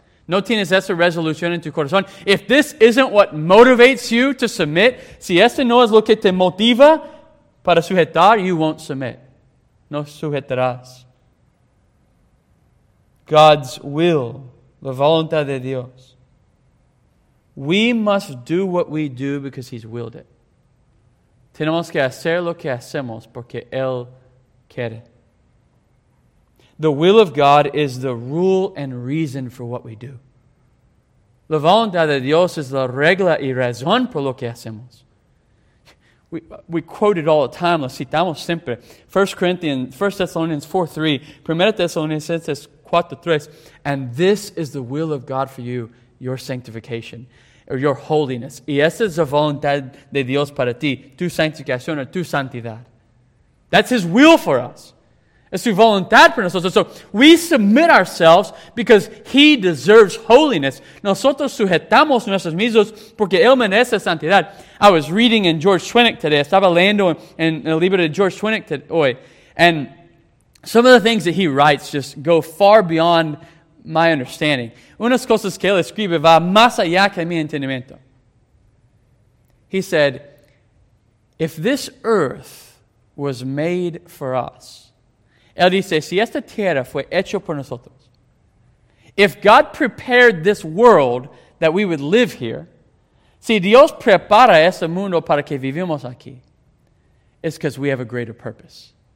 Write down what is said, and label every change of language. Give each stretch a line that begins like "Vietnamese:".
Spanish: No tienes esa resolución en tu corazón.
English: If this isn't what motivates you to submit,
Spanish: si esto no es lo que te motiva para sujetar,
English: you won't submit.
Spanish: No sujetarás.
English: God's will,
Spanish: la voluntad de Dios.
English: We must do what we do because he's willed it.
Spanish: Tenemos que hacer lo que hacemos porque él quiere.
English: The will of God is the rule and reason for what we do.
Spanish: La voluntad de Dios es la regla y razón por lo que hacemos.
English: We quote it all the time,
Spanish: lo citamos siempre.
English: 1 Thessalonians 4:3, 1 Thessalonians 4:3, and this is the will of God for you, your sanctification. Or your holiness.
Spanish: Y esa es la voluntad de Dios para ti. Tu santificación o tu santidad.
English: That's his will for us.
Spanish: Es su voluntad para nosotros.
English: So we submit ourselves because he deserves holiness.
Spanish: Nosotros sujetamos nuestros mismos porque él merece santidad.
English: I was reading in George Swinnick today.
Spanish: Estaba leyendo en el libro de George Swinnick hoy.
English: And some of the things that he writes just go far beyond my understanding.
Spanish: Unas cosas que él escribe va más allá que mi entendimiento.
English: He said, if this earth was made for us,
Spanish: él dice, si esta tierra fue hecho por nosotros,
English: if God prepared this world that we would live here,
Spanish: si Dios prepara ese mundo para que vivimos aquí,
English: it's because we have a greater purpose.